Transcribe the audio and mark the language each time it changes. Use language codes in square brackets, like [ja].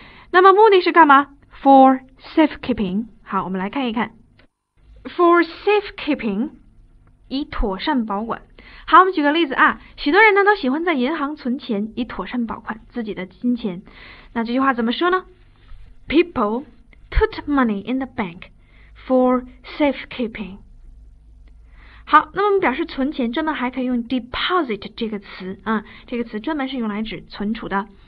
[zh] 那么目的是干嘛？ [en] For safekeeping。 [zh] 好，我们来看一看 [en] For safekeeping， [zh] 以妥善保管。好，我们举个例子啊，许多人呢都喜欢在银行存钱以妥善保管自己的金钱。那这句话怎么说呢？ [en] People put money in the bank for safekeeping。 [zh] 好，那么表示存钱真的还可以用 deposit 这个词啊，这个词专门是用来指存储的。